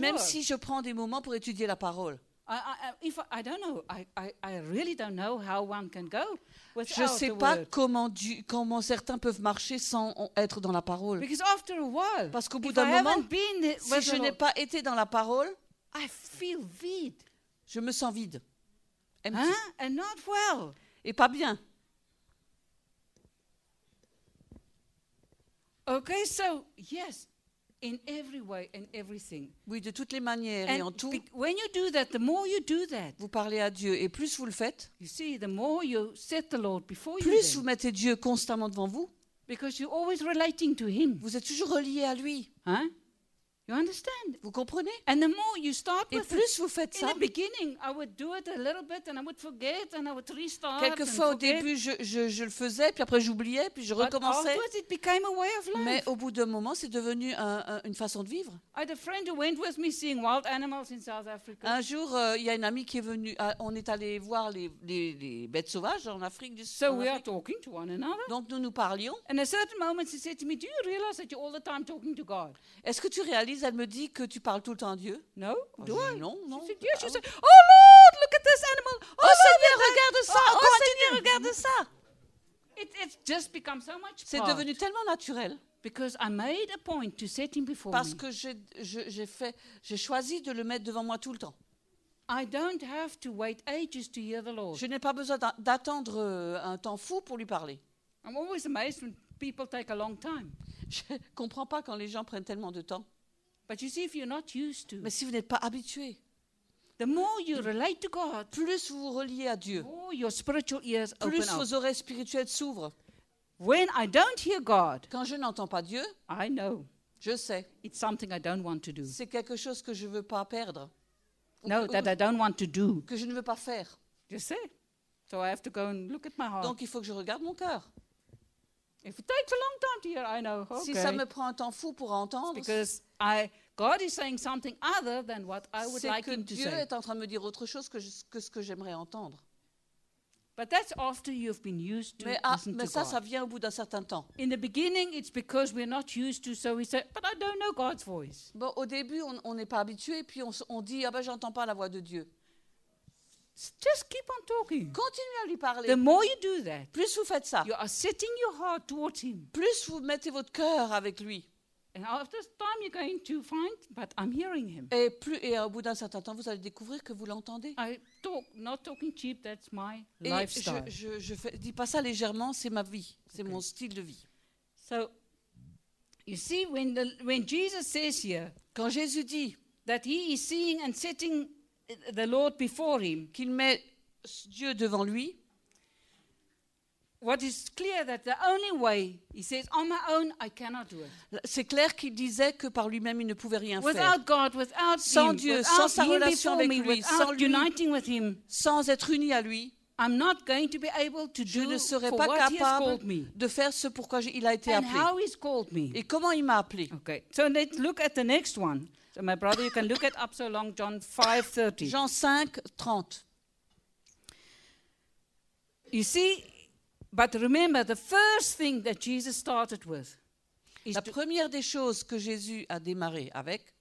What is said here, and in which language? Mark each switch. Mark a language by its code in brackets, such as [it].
[fr] Même si je prends des moments pour étudier la parole. [en] I don't know. I really don't know how one can go without [fr] Je sais [en] the [fr] pas [en] word. [fr] Comment du comment certains peuvent marcher sans être dans la parole. [en] Because after a while, [fr] parce qu'au bout [en] if [fr] d'un [en] I [fr] moment, [en] been, [fr] si je [en] the, [fr] n'ai pas été dans la parole, [en] I feel vide. [fr] Je me sens vide. [en] Empty. Hein? And not well. [fr] Et pas bien. [en] Okay, so yes, in every way and everything. [fr] Oui, de toutes les manières [en] and [fr] et en tout. [en] When you do that, the more you do that. [fr] Vous parlez à Dieu et plus vous le faites. [en] You see, the more you set the Lord before [fr] plus [en] you. [fr] Plus vous mettez Dieu constamment devant vous. [en] Because you're always relating to Him. [fr] Vous êtes toujours relié à lui. [en] Hein? You understand? [fr] Vous comprenez? [en] And the more you start [fr] et [en] with [fr] plus [en] it, [fr] vous faites ça. [en] In the beginning, I would do it a little bit and I would forget and I would restart. [fr] Quelquefois au début, je le faisais, puis après j'oubliais, puis je recommençais. [en] But afterwards, it became a way of life. [fr] Mais au bout d'un moment, c'est devenu une façon de vivre. [en] I had a friend who went with me seeing wild animals in South Africa. [fr] Un jour, il y a une amie qui est venue. On est allé voir les bêtes sauvages en Afrique du Sud. [en] So we are talking to one another. [fr] Donc nous parlions. [en] And at a certain moment, she said to me, "Do you realize that you're all the time talking to God?" [fr] Est-ce que tu réalises elle me dit que tu parles tout le temps à Dieu. [en] No, [fr] oh, je dis, non, non. Je dis, [en] oh Lord, look at this animal. [fr] Oh, oh Seigneur, regarde ça. Oh, oh Seigneur, regarde ça. [en] It's just become so much [fr] c'est [en] part. [fr] Devenu tellement naturel. [en] Because I made a point to set him before [fr] parce Que j'ai choisi de le mettre devant moi tout le temps. [en] I don't have to wait ages to hear the Lord. [fr] Je n'ai pas besoin d'attendre un temps fou pour lui parler. [en] I'm always amazed when people take a long time. [fr] Je ne comprends pas quand les gens prennent tellement de temps. [en] But you see, if you're not used to, [fr] mais si vous n'êtes pas habitué, [en] the more you relate to God, [fr] plus vous vous reliez à Dieu, [en] more your spiritual ears [fr] plus [en] open [fr] vos [en] up. [fr] Oreilles spirituelles s'ouvrent. [en] When I don't hear God, [fr] quand je n'entends pas Dieu, [en] I know. [fr] Je sais. [en] It's something I don't want to do. [fr] C'est quelque chose que je ne veux pas perdre. [en] No, that I don't want to do. [fr] Que je ne veux pas faire. Je sais. [en] So I have to go and look at my heart. [fr] Donc il faut que je regarde mon cœur. [en] If it takes a long time to hear, I know. Okay. [fr] Si ça me prend un temps fou pour entendre, [en] God is saying something other than what I would [fr] c'est [en] like him to [fr] Dieu [en] say. [fr] C'est que Dieu est en train de me dire autre chose que ce que j'aimerais entendre. [en] But that's after you've been used to [fr] mais [en] listen [fr] mais [en] to God. [fr] Mais ça vient au bout d'un certain temps. [en] In the beginning, it's because we're not used to, so we say, but I don't know God's voice. [fr] Bon, au début, on n'est pas habitué, puis on dit, ah ben, j'entends pas la voix de Dieu. [en] Just keep on talking. [fr] Continuez à lui parler. [en] The more you do that, [fr] plus vous faites ça, [en] you are setting your heart towards him. [fr] Plus vous mettez votre cœur avec lui. [en] And after time, you're going to find, but I'm hearing him. [fr] Et au bout d'un certain temps, vous allez découvrir que vous l'entendez. [en] I talk, not talking cheap. That's my [fr] et [en] lifestyle. [fr] Dis pas ça légèrement. C'est ma vie. C'est okay. Mon style de vie. [en] So, you see, when Jesus says here, [fr] quand Jésus dit [en] that he is seeing and setting the Lord before him, [fr] qu'il met Dieu devant lui. [en] What is clear that the only way he says on my own I cannot do it. [fr] C'est clair qu'il disait que par lui-même il ne pouvait rien faire. [en] Without God, without [fr] sans [en] him, [fr] Dieu, [en] without [fr] sans sa relation avec [en] me, [fr] lui, sans lui, [en] uniting with him, [fr] sans être uni à lui, [en] I'm not going to be able to do [fr] je ne serai pas capable de faire ce pourquoi il a été [en] and [fr] appelé. [en] How he's called me. [fr] Et comment il m'a appelé? [en] Okay. So let's look at the next one. So my brother, you can look it up so long. John 5:30. [fr] Jean 5:30. [en] You see. But remember, the first thing that Jesus started with is [fr] la première des choses que Jésus a démarré avec,